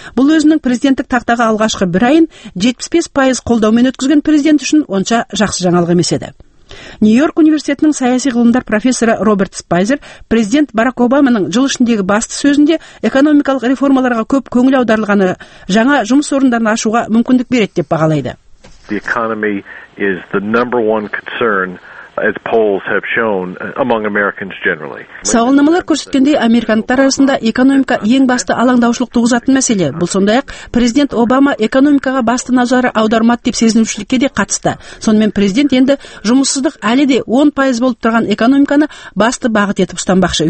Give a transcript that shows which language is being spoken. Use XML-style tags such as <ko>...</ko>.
<kk>Бұл өзінің президенттік тақтағы алғашқы бір айын 75% қолдаумен өткізген президент үшін онша жақсы жаңалық емес еді. Нью-Йорк университетінің саяси ғылымдар профессоры Роберт Спайзер президент Барак Обаманың жыл ішіндегі басты сөзінде экономикалық реформаларға көп көңіл аударылғаны жаңа жұмыс орындарын ашуға мүмкіндік береді деп бағалайды.</kk> <en>The economy is the number one concern, as polls have shown, among Americans generally.</en> <kk>Сауалнамалар көрсеткендей, американдықтар арасында экономика ең басты алаңдаушылық туғызатын мәселе. Бұл сондай-ақ, президент Обама экономикаға басты назары аудармады деп сезінушілікке де қатысты. Сонымен президент енді жұмыссыздық әлі де 10% болып тұрған экономиканы басты бағыт етіп ұстанбақшы.</kk>